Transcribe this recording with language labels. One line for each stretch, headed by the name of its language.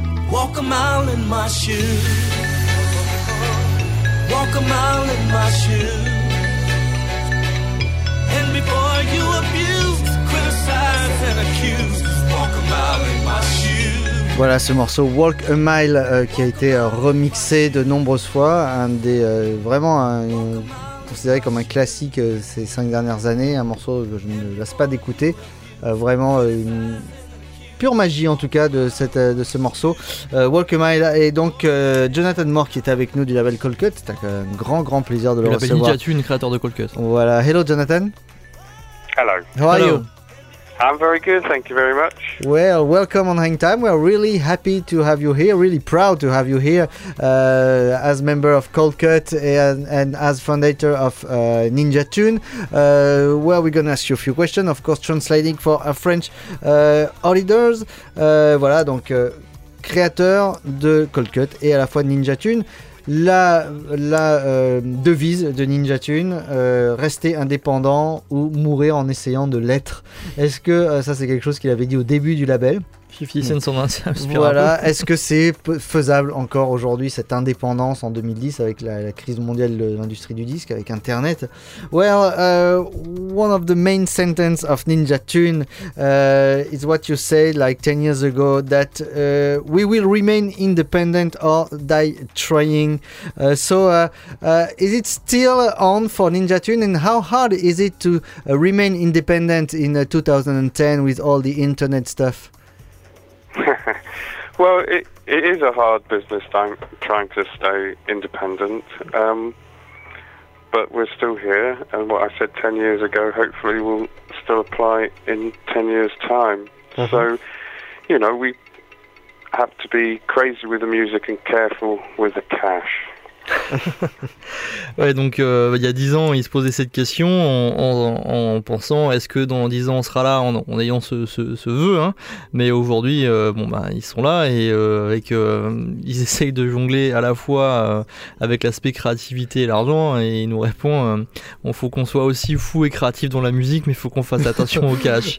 English: Walk a mile in my shoes. Walk a mile in my shoes. And before you abuse, criticize and accuse, walk a mile in my shoes.
French: Voilà ce morceau Walk a Mile qui a été remixé de nombreuses fois, un des vraiment considéré comme un classique ces cinq dernières années, un morceau que je ne lasse pas d'écouter, vraiment une pure magie en tout cas de ce morceau. Walk a Mile et donc Jonathan Moore qui était avec nous du label Cold Cut, c'était un grand plaisir de le recevoir. Le label Ninja Tune, créateur de Cold Cut. Voilà, hello Jonathan.
English: Hello. How are you? I'm very good, thank you very much. Well, welcome on Hangtime. We're really happy to have you here, really proud to have you here as member of Cold Cut and as founder of Ninja Tune. Well, we're going to ask you a few questions, of course, translating for our French auditors.
French: Voilà, donc, créateur de Cold Cut et à la fois Ninja Tune. La devise de Ninja Tune, rester indépendant ou mourir en essayant de l'être. Est-ce que ça, c'est quelque chose qu'il avait dit au début du label ? 50 Cent son ancien aspirateur. Voilà, est-ce que c'est faisable encore aujourd'hui, cette indépendance en 2010 avec la crise mondiale de l'industrie du disque, avec Internet ?
English: Well, one of the main sentences of Ninja Tune is what you said like 10 years ago, that we will remain independent or die trying. Is it still on for Ninja Tune, and how hard is it to remain independent in 2010 with all the Internet stuff? Well, it is a hard business trying to stay independent, but we're still here, and what I said 10 years ago hopefully will still apply in 10 years' time. Mm-hmm. So, you know, we have to be crazy with the music and careful with the cash.
French: Ouais, donc il y a 10 ans il se posait cette question en pensant est-ce que dans 10 ans on sera là en ayant ce vœu, hein. Mais aujourd'hui ils sont là et avec ils essayent de jongler à la fois avec l'aspect créativité et l'argent, et il nous répond bon, faut qu'on soit aussi fou et créatif dans la musique, mais faut qu'on fasse attention au cash.